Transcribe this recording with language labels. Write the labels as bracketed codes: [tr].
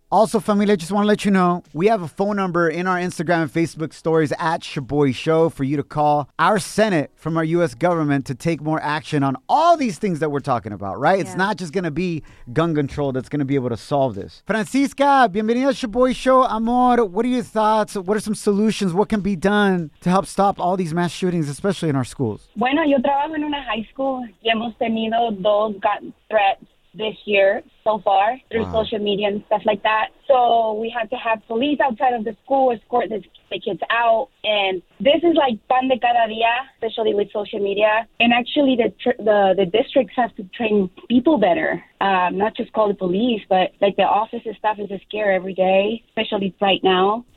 [en] Also, familia, just want to let you know, we have a phone number in our Instagram and Facebook stories at Shaboy Show for you to call our Senate from our U.S. government to take more action on all these things that we're talking about, right? Yeah. It's not just going to be gun control that's going to be able to solve this. Francisca, [es] bienvenida a Shaboy Show. [en] Amor, what are your thoughts? What are some solutions? What can be done to help stop all these mass shootings, especially in our schools? [es] Bueno, yo trabajo en una high school y hemos tenido dos [en] gun threats this year so far through social media and stuff like that. So we had to have police outside of the school escort the kids out. And this is like [es] pan de cada día, [en] especially with social media. And actually the districts have to train people better, not just call the police, but like the office staff is a scare every day, especially right now.